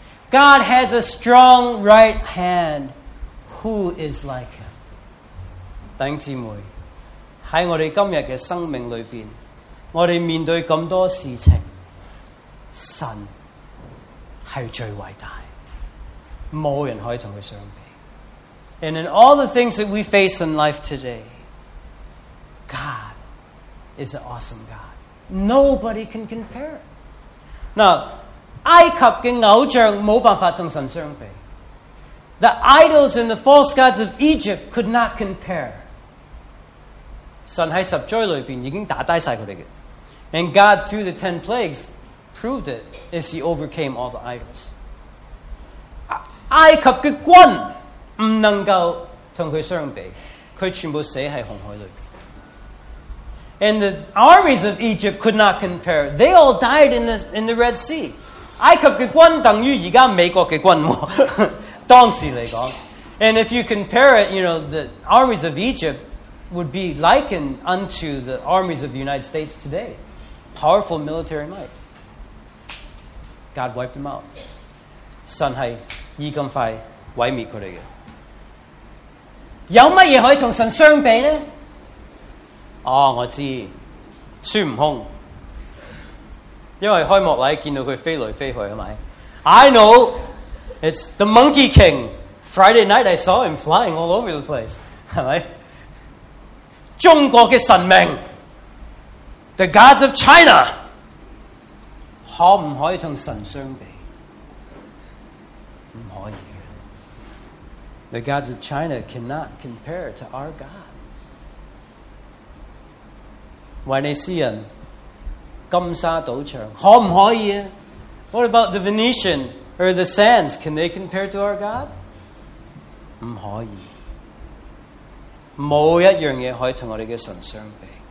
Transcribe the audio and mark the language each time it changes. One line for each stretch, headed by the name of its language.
English: God has a strong right hand. Who is like him?
Chinese: 弟兄姊妹，在我们今天的生命里面，我们面对这么多事情，神是最伟大，没人可以跟他相比。
English: And in all the things that we face in life today, God is an awesome God. Nobody can compare.
Chinese: Now, 埃及的偶像没办法跟神相比。
English: The idols and the false gods of Egypt could not compare.
Chinese: 神在十灾里面已经打低了他们。
English: And God, through the 10 plagues, proved it as he overcame all the idols.
Chinese: 埃及的军不能够跟他相比。他全部死在红海里面。
English: And the armies of Egypt could not compare. They all died in the Red Sea.
Chinese: 埃及的军等于现在美国的军，当时来讲。
English: And if you compare it, you know, the armies of Egypt would be likened unto the armies of the United States today. Powerful military might. God wiped them out.
Chinese: 神是以咁快毁灭他们的。有什么可以跟神相比呢？哦，我知道孙悟空，因为开幕礼见到他飞来飞去，是吧？
English: I know it's the Monkey King. Friday night I saw him flying all over the place,
Chinese: 是吧？中国的神明
English: The gods of China
Chinese: 可不可以跟神相比？不可以的。
English: The gods of China cannot compare to our God.
Chinese: 维尼斯人金沙赌场可不可以、啊、
English: What about the Venetian or the Sands? Can they compare to our God?
Chinese: 不可以，没一样东西可以跟我们的神相比。